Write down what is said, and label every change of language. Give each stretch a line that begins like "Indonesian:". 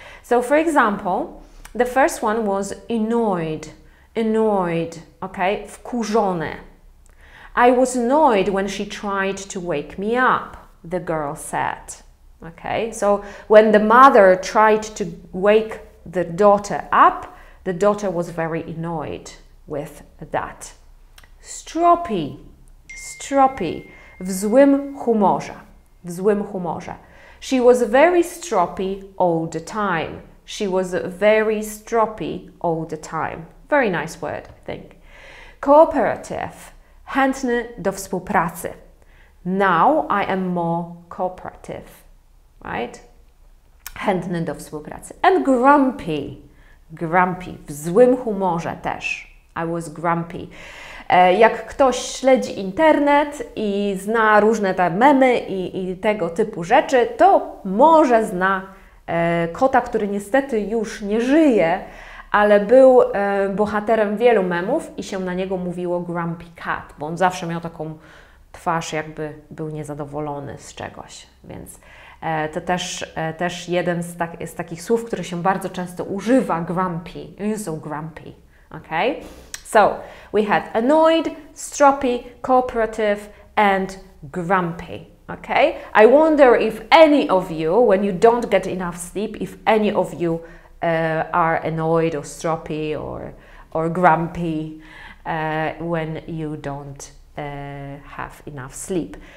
English: So, for example, the first one was annoyed, okay,
Polish: wkurzone.
English: I was annoyed when she tried to wake me up, the girl said, Okay, so when the mother tried to wake the daughter up, the daughter was very annoyed with that.
Polish: Stropi, stropi, w złym humorze, w złym humorze.
English: She was very stropi all the time. She was very stropi all the time. Very nice word, I think.
Polish: Cooperative, chętny do współpracy.
English: Now I am more cooperative, right?
Polish: Chętny do współpracy.
English: And grumpy, grumpy,
Polish: w złym humorze też.
English: I was grumpy.
Polish: Jak ktoś śledzi internet i zna różne te memy i tego typu rzeczy, to może zna kota, który niestety już nie żyje, ale był bohaterem wielu memów i się na niego mówiło Grumpy Cat, bo on zawsze miał taką twarz, jakby był niezadowolony z czegoś. Więc to też jeden z takich słów, które się bardzo często używa, grumpy.
English: You're so grumpy, okay? So, we had annoyed, stroppy, cooperative and grumpy, okay? I wonder if any of you, when you don't get enough sleep, if any of you are annoyed or stroppy or grumpy when you don't have enough sleep.